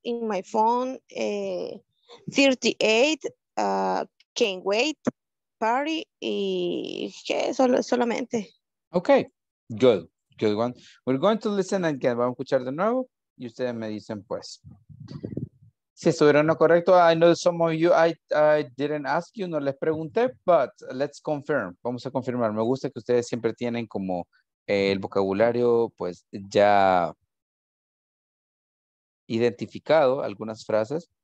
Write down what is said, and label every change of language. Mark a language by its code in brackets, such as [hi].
[en] In my phone, 38, can't wait, party, [es] y que solamente. [en] Okay, good, good one. We're going to listen again. [es] Vamos a escuchar de nuevo y ustedes me dicen pues. Si estuvieron lo correcto, [en] I know some of you, I didn't ask you, [es] no les pregunté, [en] but let's confirm. [es] Vamos a confirmar. Me gusta que ustedes siempre tienen como el vocabulario, pues, ya identificado algunas frases.